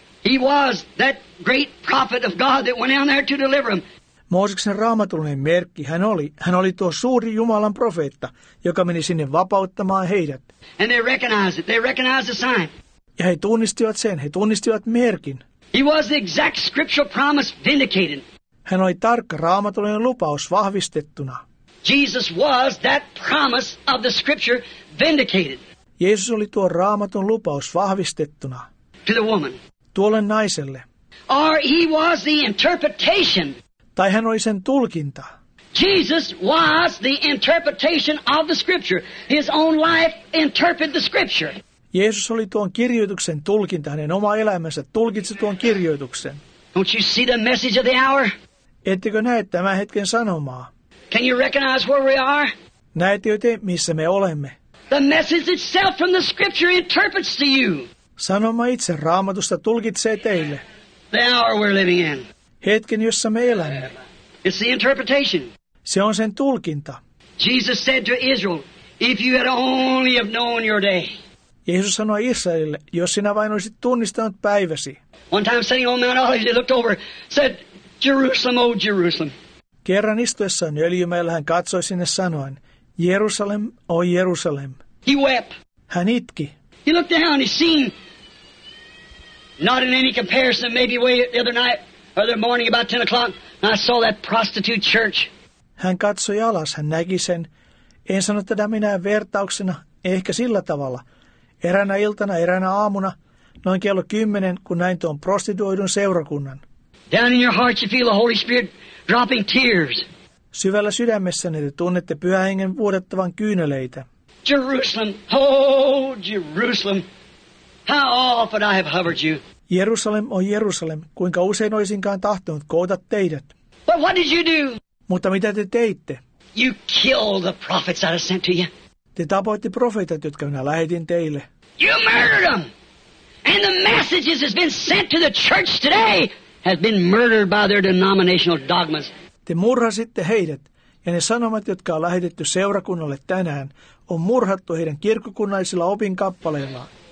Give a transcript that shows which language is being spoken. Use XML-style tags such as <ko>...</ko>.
<en>He was that great prophet of God that went down there to deliver him.</en> <fi>Mooseksen raamatullinen merkki, hän oli tuo suuri Jumalan profeetta, joka meni sinne vapauttamaan heidät.</fi> <en>And they recognized it. They recognized the sign.</en> <fi>Ja he tunnistivat sen, he tunnistivat merkin.</fi> <en>He was the exact scriptural promise vindicated.</en> <fi>Hän oli tarkka raamatullinen lupaus vahvistettuna.</fi> <en>Jesus was that promise of the scripture vindicated.</en> <fi>Jeesus oli tuo raamatun lupaus vahvistettuna.</fi> <en>To the woman.</en> <fi>Tuolle naiselle.</fi> <en>Or he was the interpretation.</en> <fi>Tai hän oli sen tulkinta.</fi> <en>Jesus was the interpretation of the scripture. His own life interpreted the scripture.</en> <fi>Jeesus oli tuon kirjoituksen tulkinta. Hänen oma elämänsä tulkitsi tuon kirjoituksen.</fi> <en>Don't you see the message of the hour?</en> <fi>Ettekö näe tämän hetken sanomaa?</fi> <en>Can you recognize where we are?</en> <fi>Näettekö te, missä me olemme?</fi> <en>The message itself from the scripture interprets to you.</en> <fi>Sanoma itse raamatusta tulkitsee teille.</fi> <en>The hour we're living in.</en> <fi>Hetken, jossa me elämme.</fi> <en>It's the interpretation.</en> <fi>Se on sen tulkinta.</fi> <en>Jesus said to Israel, if you had only have known your day.</en> <fi>Jeesus sanoi Israelille, jos sinä vain olisit tunnistanut päiväsi.</fi> <en>One time sitting on Mount Olives, he looked over, said, Jerusalem, oh Jerusalem.</en> <fi>Kerran istuessaan Öljymäellä hän katsoi sinne sanoen, Jerusalem, oh Jerusalem.</fi> <en>He wept.</en> <fi>Hän itki.</fi> <en>He looked down and he seen, not in any comparison, maybe way the other night, or the morning about 10 o'clock, and I saw that prostitute church.</en> <fi>Hän katsoi alas, hän näki sen, en sano tätä minä vertauksena, ehkä sillä tavalla, eräänä iltana, eräänä aamuna, noin 10:00, kun näin tuon prostituoidun seurakunnan.</fi> <en>Down in your heart you feel the Holy Spirit dropping tears.</en> <fi>Syvällä sydämessäni te tunnette Pyhän Hengen vuodattavan kyyneleitä.</fi> <en>Jerusalem, oh Jerusalem, how often I have hovered you.</en> <fi>Jerusalem, oh Jerusalem, kuinka usein olisinkaan tahtonut koota teidät.</fi> <en>But what did you do?</en> <fi>Mutta mitä te teitte?</fi> <en>You killed the prophets that I sent to you.</en> <fi>Te tapoitte profeetat, jotka minä lähetin teille.</fi> <en>You murdered them. And the messages has been sent to the church today has been murdered by their denominational dogmas.</en> <fi>Te murhasitte heidät, ja ne sanomat, jotka on lähetetty seurakunnalle tänään, on murhattu heidän kirkkokunnallisilla opinkappaleillaan.</fi>